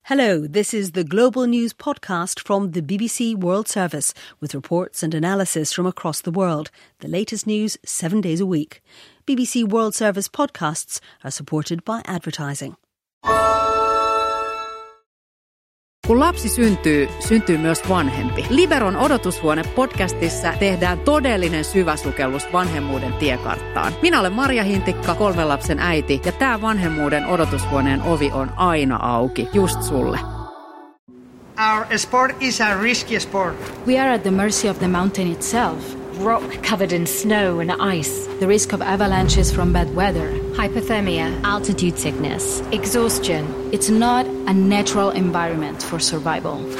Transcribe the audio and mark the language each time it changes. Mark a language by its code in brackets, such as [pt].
[en] Hello, this is the Global News Podcast from the BBC World Service with reports and analysis from across the world. The latest news 7 days a week. BBC World Service podcasts are supported by advertising. [fi] Kun lapsi syntyy, syntyy myös vanhempi. Liberon odotushuone-podcastissa tehdään todellinen syväsukellus vanhemmuuden tiekarttaan. Minä olen Marja Hintikka, kolmen lapsen äiti, ja tämä vanhemmuuden odotushuoneen ovi on aina auki, just sulle. [en] Our sport is a risky sport. We are at the mercy of the mountain itself. Rock covered in snow and ice. The risk of avalanches from bad weather. Hypothermia, altitude sickness, exhaustion. It's not a natural environment for survival.